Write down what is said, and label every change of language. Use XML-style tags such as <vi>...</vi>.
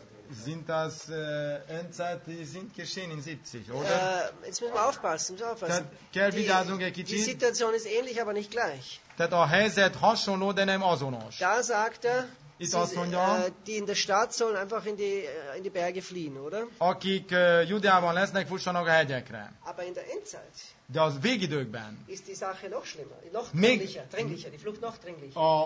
<de>Sind das Endzeit, die sind geschehen in 70, oder? Jetzt müssen wir aufpassen. Die Situation ist ähnlich, aber nicht gleich. Da sagt er, die in der Stadt sollen einfach in die Berge fliehen, oder?</de> <hu>Akik Judeában lesznek, fussanak a hegyekre.</hu> <de>Aber in der Endzeit.</de> <hu>De az végidőkben.</hu> <de>Ist die Sache noch schlimmer, noch dringlicher, die Flucht noch dringlicher.</de>